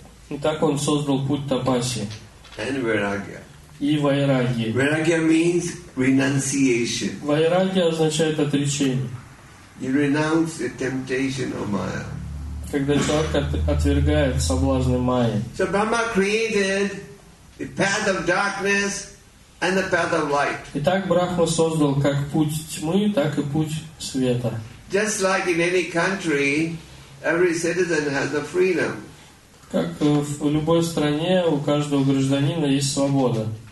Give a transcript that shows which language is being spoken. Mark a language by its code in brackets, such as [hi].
[ru] И так он создал путь тапаси. [en] And vairagya. [ru] И вайрагья. [en] Vairagya means renunciation. [ru] Вайрагья означает отречение. [en] You renounce the temptation of Maya. [ru] Когда человек отвергает соблазны Майи. [en] So Brahma created the path of darkness and the path of light. [ru] Итак, Брахма создал как путь тьмы, так и путь света. [en] Just like in any country, every citizen has a freedom. [ru] Как в любой стране, у каждого гражданина есть свобода.